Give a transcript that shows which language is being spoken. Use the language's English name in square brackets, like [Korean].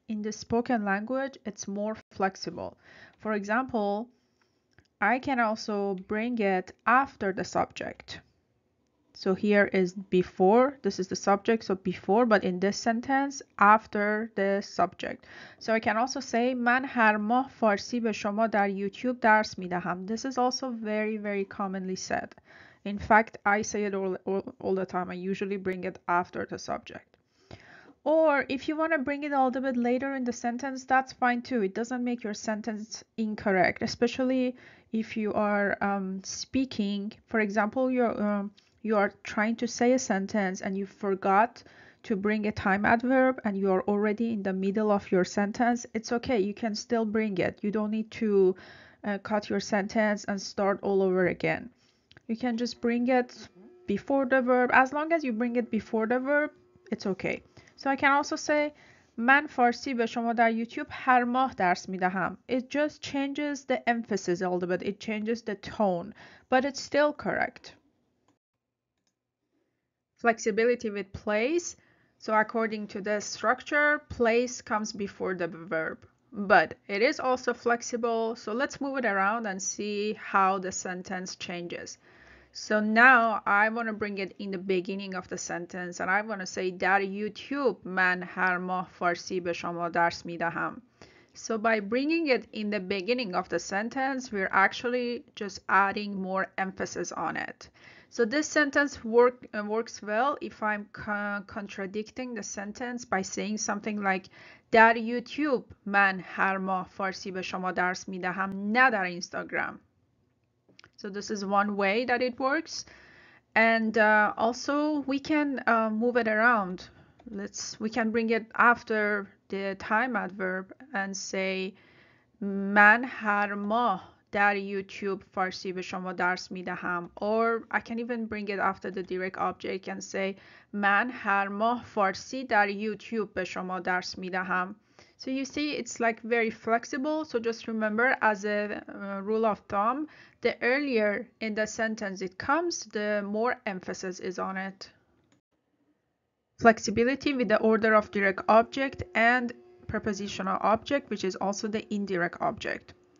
[English] In the spoken language, it's more flexible. For example, I can also bring it after the subject. So here is before, this is the subject, so before, but in this sentence, after the subject. So I can also say, [Persian] من هر ماه فارسی به شما در یوتیوب درس می دهم. [English] This is also very, very commonly said. In fact, I say it all the time. I usually bring it after the subject. Or if you want to bring it a little bit later in the sentence, that's fine too. It doesn't make your sentence incorrect, especially if you are speaking. For example, you are trying to say a sentence and you forgot to bring a time adverb and you are already in the middle of your sentence, it's okay. You can still bring it. You don't need to cut your sentence and start all over again. You can just bring it before the verb. As long as you bring it before the verb, it's okay. So I can also say, [Persian] من فارسی به شما در یوتیوب هر ماه درس می دهم. [English] It just changes the emphasis a little bit. It changes the tone, but it's still correct. Flexibility with place. So according to the structure, place comes before the verb, but it is also flexible. So let's move it around and see how the sentence changes. So now I want to bring it in the beginning of the sentence and I want to say [Persian] در یوتیوب من هر ماه فارسی به شما درس می دهم. [English] So by bringing it in the beginning of the sentence, we're actually just adding more emphasis on it. So this sentence works well if I'm contradicting the sentence by saying something like [Persian] در یوتیوب من هر ماه فارسی به شما درس می دهم نه در اینستاگرام. [English] So this is one way that it works. And also we can move it around. We can bring it after the time adverb and say [Persian] من هر ماه در یوتیوب فارسی به شما درس می دهم. [English] Or I can even bring it after the direct object and say [Persian] من هر ماه فارسی در یوتیوب به شما درس می دهم. [English] So you see it's like very flexible. So just remember, as a rule of thumb, the earlier in the sentence it comes, the more emphasis is on it. Flexibility with the order of direct object and prepositional object, which is also the indirect object.